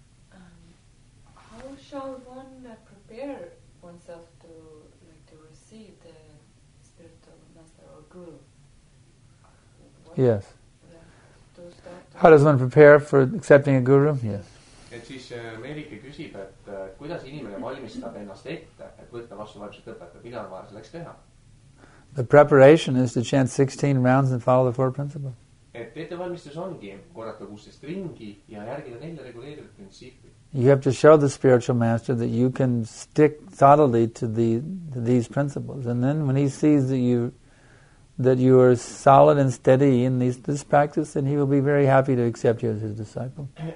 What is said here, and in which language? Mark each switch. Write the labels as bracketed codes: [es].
[en] How shall one prepare oneself to to receive the spiritual master or guru? Yes. How does one prepare for accepting a guru? Yes. [et] Et siis Merike küsib, et kuidas inimene valmistab ennast ette, et võtta vastu vaimset õpetaja, mida on vaja selleks teha? [en] The preparation is to chant 16 rounds and follow the four principles. [et] Et ette valmistus ongi korrata 16 ringi ja järgida nelja reguleeritud printsiipi. [en] You have to show the spiritual master that you can stick solidly to these principles. And then when he sees that you are solid and steady in this practice, then he will be very happy to accept you as his disciple.